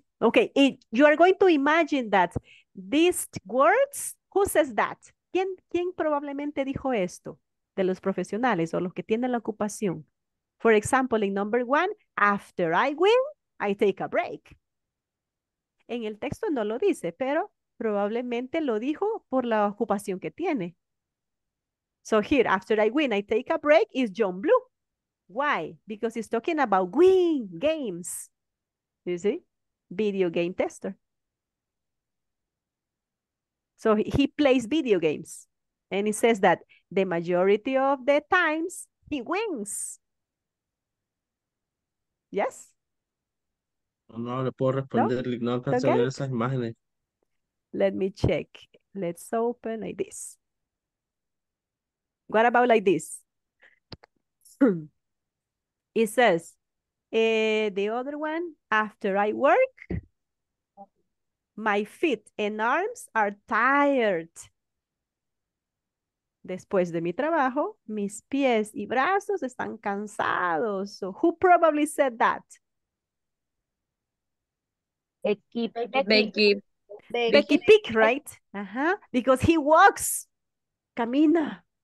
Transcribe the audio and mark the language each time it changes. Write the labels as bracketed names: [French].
[English] Okay, you are going to imagine that these words, who says that? [Spanish] ¿Quién probablemente dijo esto? De los profesionales o los que tienen la ocupación. [English] For example, in number one, after I win, I take a break. [Spanish] En el texto no lo dice, pero probablemente lo dijo por la ocupación que tiene. [English] So here, after I win, I take a break, is John Blue. Why? Because he's talking about win games. You see? Video game tester. So he plays video games. And he says that the majority of the times, he wins. Yes? [Spanish] No le puedo responder. No alcanzo a ver esas imágenes. [English] Let me check. Let's open like this. What about like this? It says, the other one, after I work, my feet and arms are tired. [Spanish] Después de mi trabajo, mis pies y brazos están cansados. [English] So who probably said that? Becky Pick, right? Uh-huh. Because he walks, camina.